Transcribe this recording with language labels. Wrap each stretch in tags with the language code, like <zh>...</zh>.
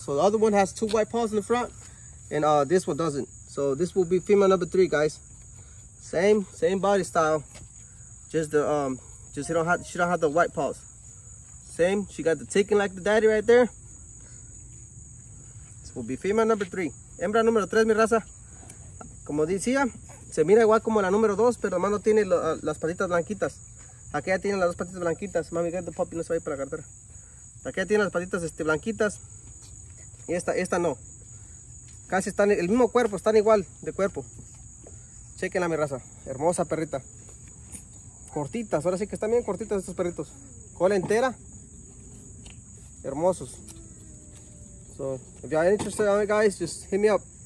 <en>So the other one has two white paws in the front, and this one doesn't. So this will be female number 3, guys. Same body style, she don't have the white paws. Same, she got the ticking like the daddy right there. This will be female number 3.</en> <es>Hembra número 3, mi raza. Como decía, se mira igual como la número 2, pero más no tiene las patitas blanquitas. Aquí ya tiene las dos patitas blanquitas. Mami,</es> <en>get the puppy,</en> <es>no se va a ir para la cartera. Aquí ya tiene las patitas blanquitas. Y esta no. Casi están, el mismo cuerpo, están igual de cuerpo. Chequenla, mi raza. Hermosa perrita. Cortitas, ahora sí que están bien cortitas estos perritos. Cola entera. Hermosos.</es> <en>So, if you are interested, guys, just hit me up.</en>